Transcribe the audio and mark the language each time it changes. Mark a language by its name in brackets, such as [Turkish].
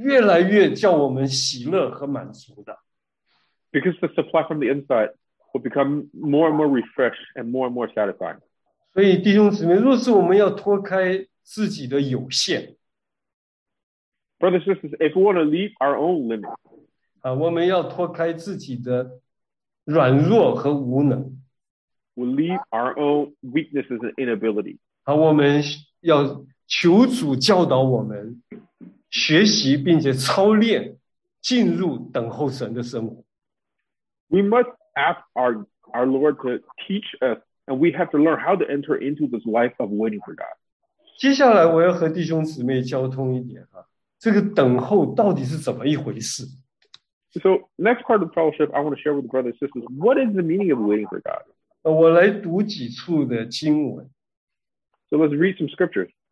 [Chinese] 因为里面的供应呢,是越来越新鲜,越来越叫我们喜乐和满足的。 [English] Because the supply from the inside will become more and more refreshed and more satisfying. [Chinese] 所以弟兄姊妹,若是我们要脱开自己的有限, [English] Brothers and sisters, if we want to leave our own limits, [Chinese] 我们要脱开自己的软弱和无能, [English] we leave our own weaknesses and inability, [Chinese] 我们要求主教导我们, 学习并且操练, 进入等候神的生活。 [English] We must ask our Lord to teach us, and we have to learn how to enter into this life of waiting for God. [Chinese] 接下来我要和弟兄姊妹交通一点, 这个等候到底是怎么一回事? [English] So, next part of the fellowship, I want to share with the brothers and sisters, what is the meaning of waiting for God? [Chinese] 我来读几处的经文。 [English] So, let's read some scriptures.